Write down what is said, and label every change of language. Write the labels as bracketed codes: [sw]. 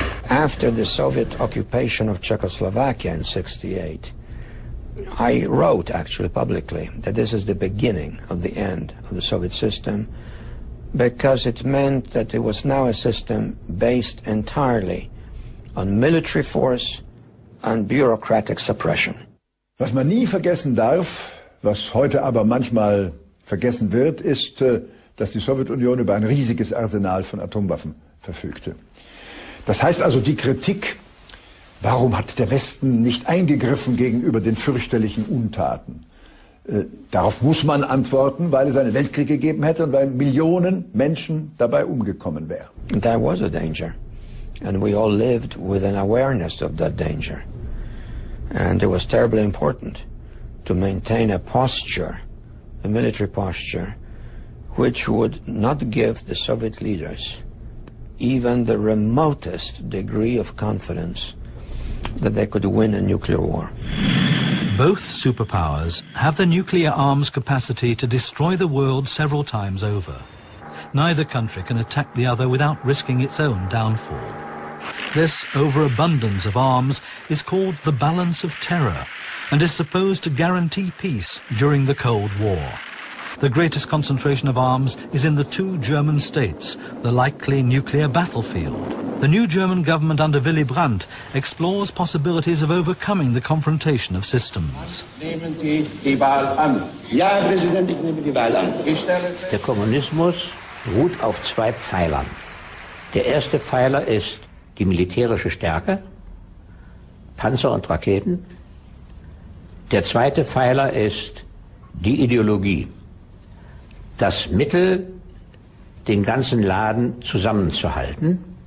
[en] after the Soviet occupation of Czechoslovakia in 68, I wrote actually publicly that this is the beginning of the end of the Soviet system, because it meant that it was now a system based entirely on military force and bureaucratic suppression. [de] Was man nie vergessen darf, was heute aber manchmal vergessen wird, ist, dass die Sowjetunion über ein riesiges Arsenal von Atomwaffen verfügte. Das heißt also, die Kritik, warum hat der Westen nicht eingegriffen gegenüber den fürchterlichen Untaten? Darauf muss man antworten, weil es einen Weltkrieg gegeben hätte und weil Millionen Menschen dabei umgekommen wären. [en] There was a danger. And we all lived with an awareness of that danger. And it was terribly important to maintain a posture, a military posture, which would not give the Soviet leaders even the remotest degree of confidence that they could win a nuclear war. Both superpowers have the nuclear arms capacity to destroy the world several times over. Neither country can attack the other without risking its own downfall. This overabundance of arms is called the balance of terror and is supposed to guarantee peace during the Cold War. The greatest concentration of arms is in the two German states, the likely nuclear battlefield. The new German government under Willy Brandt explores possibilities of overcoming the confrontation of systems. [de] Nehmen Sie die Wahl an. Ja, Herr Präsident, ich nehme die Wahl an. Der Kommunismus ruht auf zwei Pfeilern. Der erste Pfeiler ist die militärische Stärke, Panzer und Raketen. Der zweite Pfeiler ist die Ideologie. Das Mittel, den ganzen Laden zusammenzuhalten.